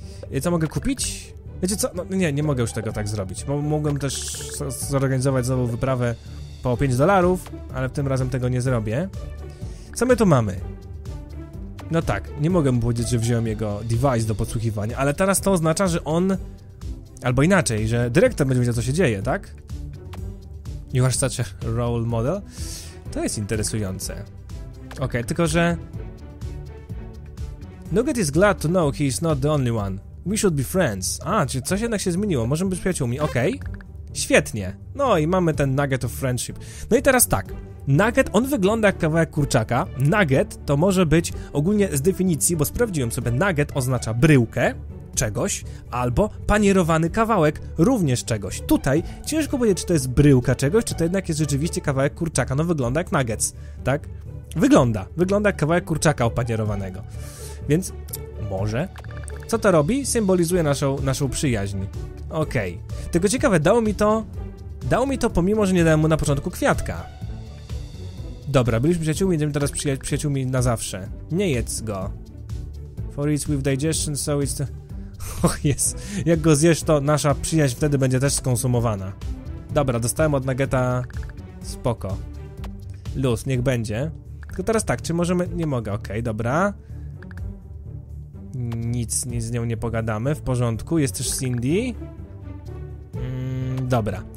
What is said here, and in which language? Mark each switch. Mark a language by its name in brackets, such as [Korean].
[Polish] I co mogę kupić? Wiecie co? No, nie mogę już tego tak zrobić, bo mogłem też zorganizować znowu wyprawę po $5, ale tym razem tego nie zrobię. Co my tu mamy? No tak, nie mogę mu powiedzieć, że wziąłem jego device do podsłuchiwania, ale teraz to oznacza, że on... Albo inaczej, że dyrektor będzie wiedział, co się dzieje, tak? [English] You are such a role model. [Polish] To jest interesujące. Okej, okay, tylko że... [English] Nugget is glad to know he is not the only one. We should be friends. [Polish] A, czy coś jednak się zmieniło. Możemy być przyjaciółmi. Okej. Okay. Świetnie. No i mamy ten Nugget of Friendship. No i teraz tak. Nugget, on wygląda jak kawałek kurczaka. Nugget to może być ogólnie z definicji, bo sprawdziłem sobie, nugget oznacza bryłkę czegoś albo panierowany kawałek również czegoś. Tutaj ciężko powiedzieć, czy to jest bryłka czegoś, czy to jednak jest rzeczywiście kawałek kurczaka. No wygląda jak nuggets, tak? Wygląda. Wygląda jak kawałek kurczaka opanierowanego. Więc może... Co to robi? Symbolizuje naszą przyjaźń. Okej. Okay. Tylko ciekawe, dało mi to pomimo, że nie dałem mu na początku kwiatka. Dobra, byliśmy przyjaciółmi, będziemy teraz przyjaciółmi na zawsze. Nie jedz go. [English] For it's with digestion, so it's... [Polish] Och, jest. Jak go zjesz, to nasza przyjaźń wtedy będzie też skonsumowana. Dobra, dostałem od Nuggeta... Spoko. Luz, niech będzie. Tylko teraz tak, czy możemy... Nie mogę, okej, okay, dobra. Nic z nią nie pogadamy, w porządku, jest też Cindy. Dobra.